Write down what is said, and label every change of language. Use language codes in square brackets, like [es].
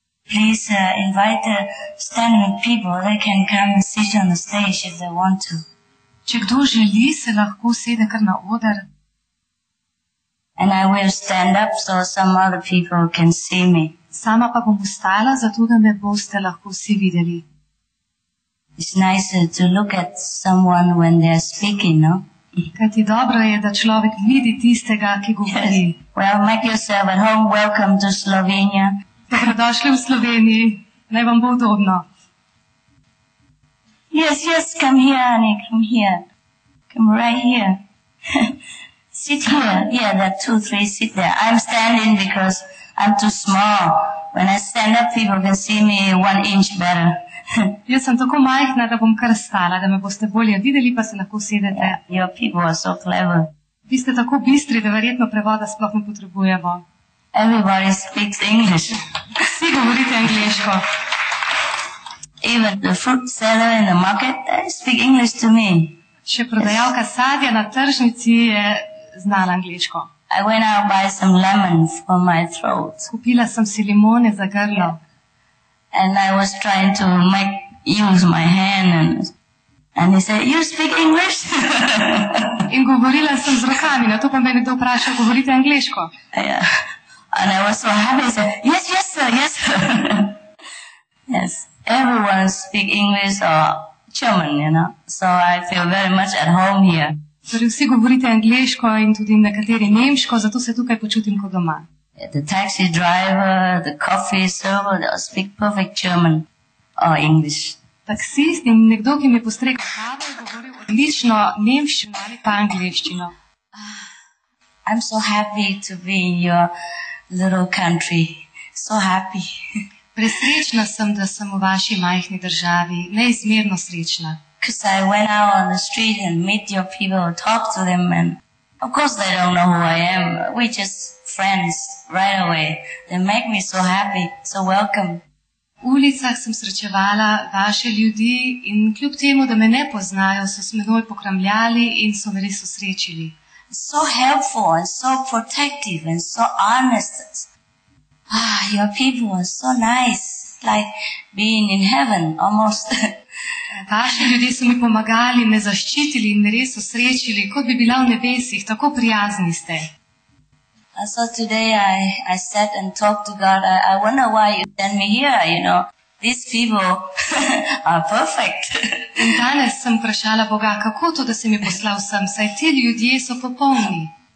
[en] Please invite standing people. They can come and sit on the stage if they want to. [sl] Če kdo želi, se lahko sede kar na oder. [en] And I will stand up so some other people can see me. [sl] Sama pa bom ustala, zato da me boste lahko vsi videli. [en] It's nice to look at someone when they are speaking, no? [sl] Kajti dobro je, da človek vidi tistega, ki govori. [en] Yes. Well, make yourself at home. Welcome to Slovenia. [sl] Dobrodošli v Sloveniji. Naj vam bo udobno. [en] Yes, yes, come here, Annie, come here. Come right here. Sit here. Yeah, there are two, three, sit there. I'm standing because I'm too small. When I stand up, people can see me one inch better. [sl] Jaz sem tako majhna, da bom kar stala, da me boste bolje videli, pa se lahko sedete. [en] Yeah, your people are so clever. [sl] Vi ste tako bistri, da verjetno prevoda sploh ne potrebujemo. [en] Everybody speaks English. [sl] Vsi govorite angliško. [en] Even the fruit seller in the market, they speak English to me. [sl] Še prodajalka sadja na tržnici je znala angliško. [en] I went out buy some lemons for my throat. [sl] Kupila sem si limone za grlo. [en] Yeah. And I was trying to make use my hand and he said, you speak English? [sl] In govorila sem z rokami, na to pa me nekdo vpraša, govorite angliško. [en] Yeah. And I was so happy, he said, yes, yes, sir, yes. Yes, everyone speak English or German, you know, so I feel very much at home here. [sl] Torej, vsi govorite angliško in tudi nekateri nemško, zato se tukaj počutim kot doma. [en] The taxi driver, the coffee server, they all speak perfect German or English. [sl] Taksist in nekdo, ki mi je postregel kavo, govori odlično nemščino ali pa angliščino. [en] I'm so happy to be in your little country. So happy. [sl] Presrečna sem, da sem v vaši majhni državi. Neizmerno srečna. [en] Because I went out on the street and meet your people, talk to them, and of course they don't know who I am. We just friends right away. They make me so happy, so welcome. [sl] V ulicah sem srečevala vaše ljudi in kljub temu, da me ne poznajo, so se menoj pokramljali in so me res osrečili. [en] So helpful and so protective and so honest. Ah, your people are so nice, like being in heaven, almost. [sl] Vaši ljudje so mi pomagali, me zaščitili in me res osrečili, kot bi bila v nebesih, tako prijazni ste. [en] So today I sat and talked to God. I wonder why you sent me here, you know. These people are perfect. [sl] In danes sem vprašala Boga, kako to, da se mi poslal sem, saj ti ljudje so popolni.